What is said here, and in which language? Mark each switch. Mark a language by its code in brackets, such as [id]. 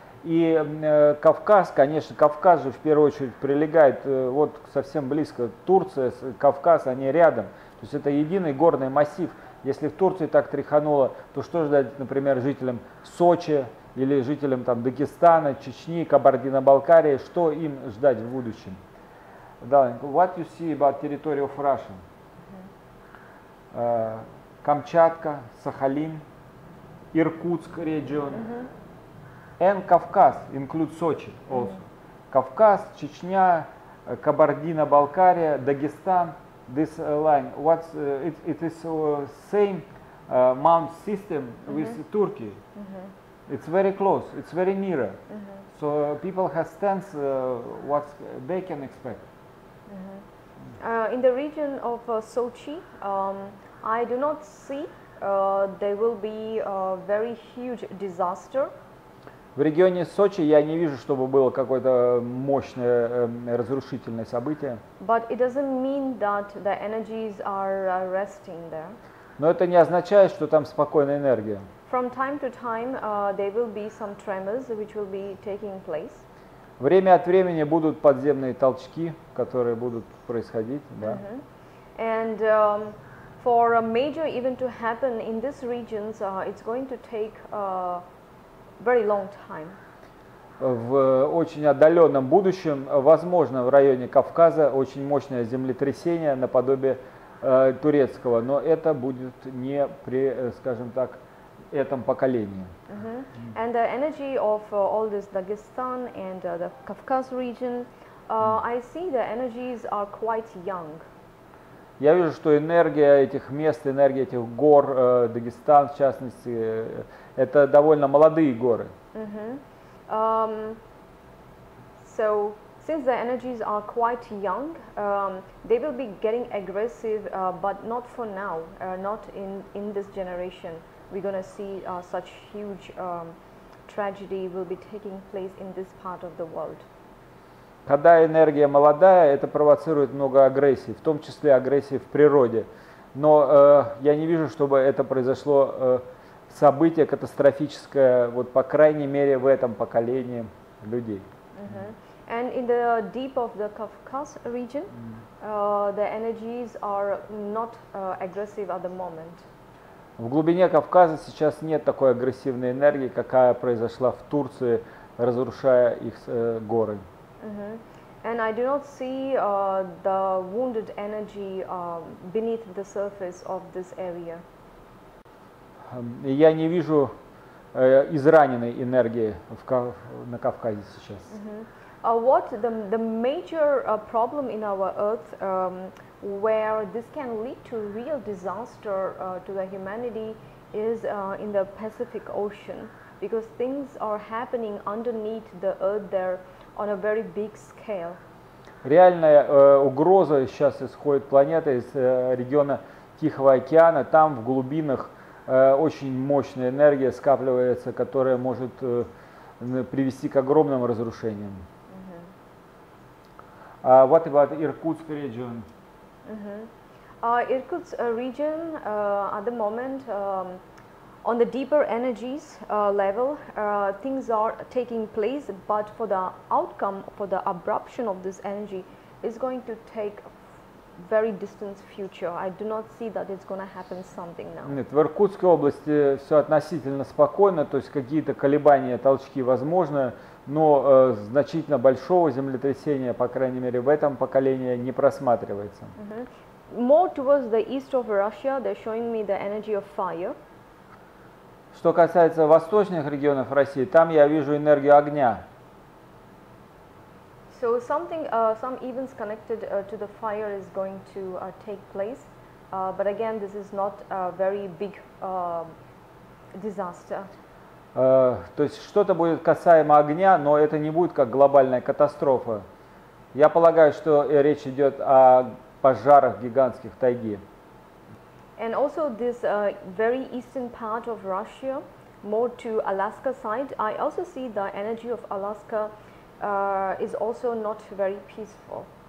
[ru] И Кавказ, конечно, Кавказ же в первую очередь прилегает вот совсем близко. Турция, Кавказ, они рядом. То есть это единый горный массив. Если в Турции так тряхануло, то что ждать, например, жителям Сочи или жителям там Дагестана, Чечни, Кабардино-Балкарии, что им ждать в будущем? [en] Darling, what you see about territory of Russia? Камчатка, Сахалин, Иркутск регион, and Кавказ, include Сочи also. [ru] Кавказ, Чечня, Кабардино-Балкария, Дагестан. [en] This line, what's it is same mount system with Turkey. It's very close. It's very near. So people have stance what they can expect. In the region of Sochi, I do not see there will be a very huge disaster. [ru] В регионе Сочи я не вижу, чтобы было какое-то мощное разрушительное событие. [en] But it doesn't mean that the energies are resting there. [ru] Но это не означает, что там спокойная энергия. [en] From time to time, there will be some tremors which will be taking place. [ru] Время от времени будут подземные толчки, которые будут происходить, да. [en] And for a major event to happen in these regions, it's going to take a very long time. [ru] В очень отдаленном будущем возможно в районе Кавказа очень мощное землетрясение наподобие турецкого, но это будет не при, скажем так, этом поколении. [en] And the energy of all this Dagestan and the Kafkaz region, I see the energies are quite young. [ru] Я вижу, что энергия этих мест, энергия этих гор, Дагестан в частности, это довольно молодые горы. [en] So, since the energies are quite young, they will be getting aggressive, but not for now, not in this generation. We're going to see such huge tragedy will be taking place in this part of the world. [ru] Когда энергия молодая, это провоцирует много агрессии, в том числе агрессии в природе. Но я не вижу, чтобы это произошло событие катастрофическое, вот по крайней мере в этом поколении людей. [en] And in the deep of the Kafkas region, the energies are not aggressive at the moment. [ru] В глубине Кавказа сейчас нет такой агрессивной энергии, какая произошла в Турции, разрушая их горы. [en] And I do not see the wounded energy beneath the surface of this area. [ru] Я не вижу израненной энергии на Кавказе сейчас. [en] What the major problem in our earth where this can lead to real disaster to the humanity is in the Pacific Ocean, because things are happening underneath the earth there on a very big scale. [ru] Реальная угроза сейчас исходит планета из региона Тихого океана. Там в глубинах очень мощная энергия скапливается, которая может привести к огромным разрушениям. [en] What about Irkutsk region? Irkutsk region at the moment on the deeper energies level things are taking place, but for the outcome, for the abruption of this energy is going to take very distant future. I do not see that it's going to happen something now. [ru] Нет, в Иркутской области все относительно спокойно, то есть какие-то колебания, толчки возможны, но значительно большого землетрясения, по крайней мере, в этом поколении не просматривается. [en] More towards the east of Russia, they're showing me the energy of fire. [ru] Что касается восточных регионов России, там я вижу энергию огня. [en] So something, some events connected to the fire is going to take place, but again, this is not a very big disaster. [ru] То есть что-то будет касаемо огня, но это не будет как глобальная катастрофа. Я полагаю, что речь идет о пожарах гигантских тайги. [en] And also this very eastern part of Russia, more to Alaska side, I also see the energy of Alaska is also not very peaceful.